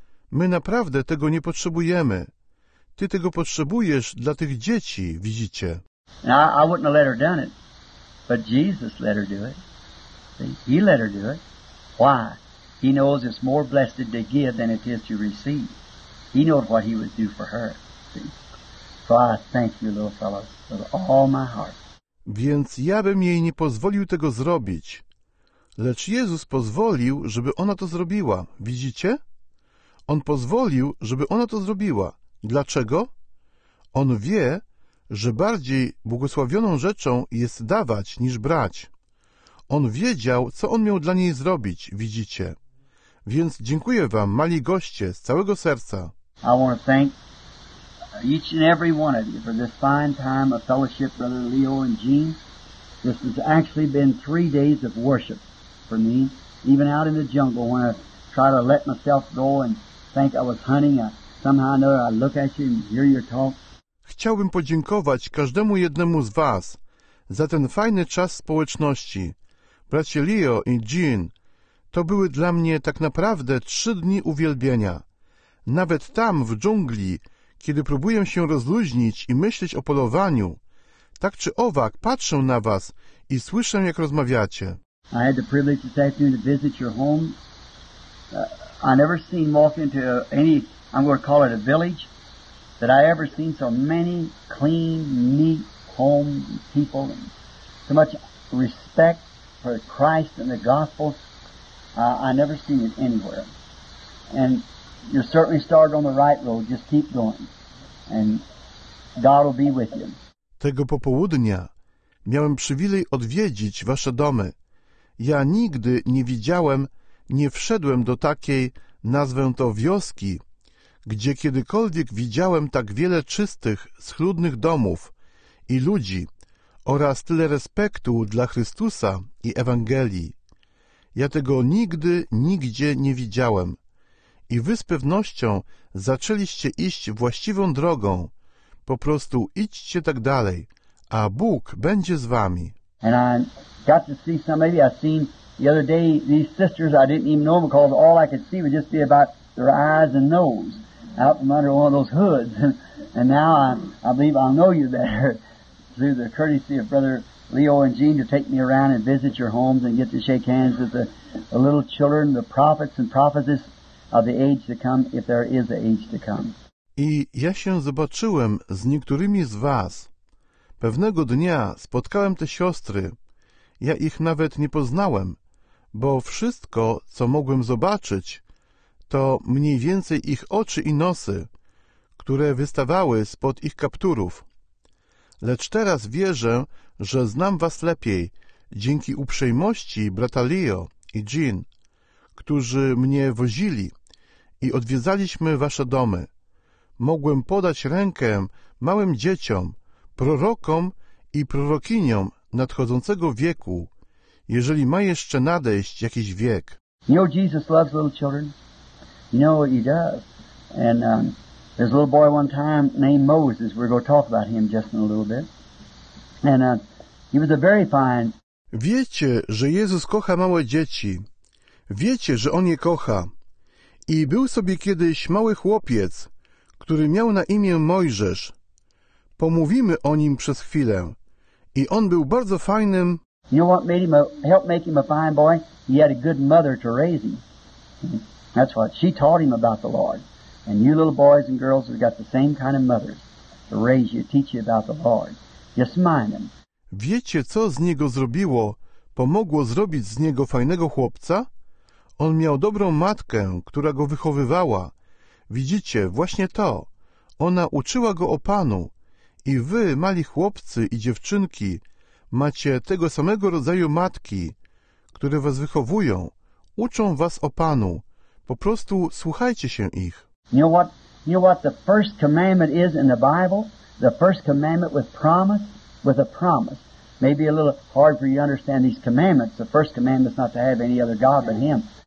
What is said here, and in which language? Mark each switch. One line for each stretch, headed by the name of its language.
Polish: My naprawdę tego nie potrzebujemy. Ty tego potrzebujesz dla tych dzieci, widzicie.
English: I wouldn't have let her done it, but Jesus let her do it. He let her do it. Why? He knows it's more blessed to give than it is to receive. He knows what he would do for her. So I thank you, little fellow, with all my heart.
Polish: Więc ja bym jej nie pozwolił tego zrobić. Lecz Jezus pozwolił, żeby ona to zrobiła. Widzicie? On pozwolił, żeby ona to zrobiła. Dlaczego? On wie, że bardziej błogosławioną rzeczą jest dawać niż brać. On wiedział, co on miał dla niej zrobić, widzicie. Więc dziękuję wam, mali goście, z całego serca.
English: I want to thank each and every one of you for this fine time of fellowship, Brother Leo and Jean. This has actually been 3 days of worship for me, even out in the jungle when I try to let myself go and think I was hunting. Somehow I know I look at you and hear your talk.
Polish: Chciałbym podziękować każdemu jednemu z was za ten fajny czas społeczności. Bracie Leo i Jean, to były dla mnie tak naprawdę 3 dni uwielbienia. Nawet tam, w dżungli, kiedy próbuję się rozluźnić i myśleć o polowaniu, tak czy owak patrzę na was i słyszę, jak rozmawiacie.
English: I had the privilege this afternoon to visit your home. I never seen walk into any, I'm going to call it a village, that I ever seen so many clean, neat home people, and so much respect for Christ and the gospel. I never seen it anywhere. And you certainly started on the right road, just keep going. And God will be with you.
Polish: Tego popołudnia miałem przywilej odwiedzić wasze domy. Ja nigdy nie widziałem, nie wszedłem do takiej, nazwę to wioski, gdzie kiedykolwiek widziałem tak wiele czystych, schludnych domów i ludzi oraz tyle respektu dla Chrystusa i Ewangelii. Ja tego nigdy, nigdzie nie widziałem. I wy z pewnością zaczęliście iść właściwą drogą. Po prostu idźcie tak dalej, a Bóg będzie z wami.
English: And I got to see somebody I've seen the other day, these sisters, I didn't even know them because all I could see would just be about their eyes and nose out from under one of those hoods. And now I believe I'll know you better through the courtesy of Brother Leo and Jean to take me around and visit your homes and get to shake hands with the little children, the prophets and prophetess of the age to come, if there is an age to come.
Polish: I ja się zobaczyłem z niektórymi z was. Pewnego dnia spotkałem te siostry. Ja ich nawet nie poznałem, bo wszystko, co mogłem zobaczyć, to mniej więcej ich oczy i nosy, które wystawały spod ich kapturów. Lecz teraz wierzę, że znam was lepiej, dzięki uprzejmości brata Leo i Jean, którzy mnie wozili i odwiedzaliśmy wasze domy. Mogłem podać rękę małym dzieciom, prorokom i prorokiniom nadchodzącego wieku, jeżeli ma jeszcze nadejść jakiś wiek.
English: You know, Jesus loves little children. You know, he does. And there's a little boy one time named Moses. We're going to talk about him just in a little bit. And he was a very fine...
Polish: Wiecie, że Jezus kocha małe dzieci. Wiecie, że On je kocha. I był sobie kiedyś mały chłopiec, który miał na imię Mojżesz. Pomówimy o nim przez chwilę. I on był bardzo fajnym...
English: You know what made him help make him a fine boy? He had a good mother to raise him. That's what she taught him about the Lord. And you little boys and girls have got the same kind of mothers to raise you, teach you about the Lord. Just mind them.
Polish: Wiecie, co z niego zrobiło? Pomogło zrobić z niego fajnego chłopca? On miał dobrą matkę, która go wychowywała. Widzicie, właśnie to. Ona uczyła go o Panu. I wy, mali chłopcy i dziewczynki, macie tego samego rodzaju matki, które was wychowują, uczą was o Panu. Po prostu słuchajcie się ich.
English: You know what the first commandment is in the Bible? The first commandment with promise? With a promise. Maybe a little hard for you to understand these commandments. The first commandment is not to have any other God but Him.